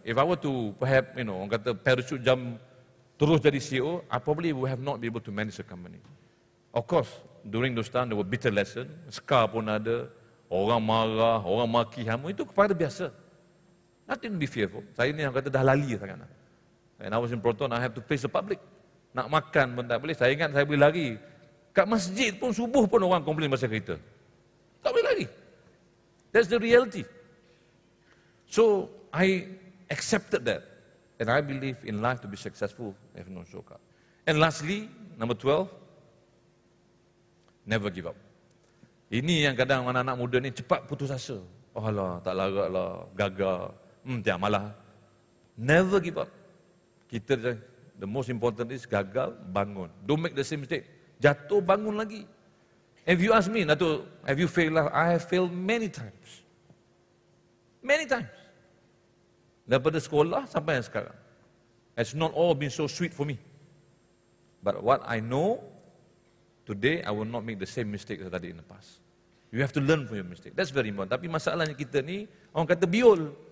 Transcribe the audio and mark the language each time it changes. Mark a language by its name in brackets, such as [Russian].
[English] If I were to perhaps, you know, kata parachute jump [Malay] terus jadi [English] CEO, I probably would have not been able to manage a company. Of course, during those time, there were bitter lessons. [Malay] Scar pun ada. Orang marah, orang maki, hamu. Itu kepada biasa. [English] Nothing to be fearful. [Malay] Saya ni yang kata dah lali sangat. [English] And I was in Proton, I have to face the public. [Malay] Nak makan pun tak boleh. Saya ingat saya boleh lari. Kat masjid pun, subuh pun orang komplain pasal kereta. Tak boleh lari. [English] That's the reality. So, I accepted that. And I believe in life to be successful, I have no shortcut. And lastly, number 12, never give up. [Malay] Ini yang kadang anak-anak muda ni cepat putus asa. Oh Allah, tak larat lah, gagal. Tiap malah. [English] Never give up. Kita, the most important is [Malay] gagal, bangun. [English] Don't make the same mistake. [Malay] Jatuh, bangun lagi. [English] If you ask me, Dato', have you failed? Like, I have failed many times. Many times. [Malay] Daripada sekolah sampai sekarang. [English] It's not all been so sweet for me. But what I know, today I will not make the same mistake as I did in the past. You have to learn from your mistake. That's very important. [Malay] Tapi masalahnya kita ni, orang kata biol.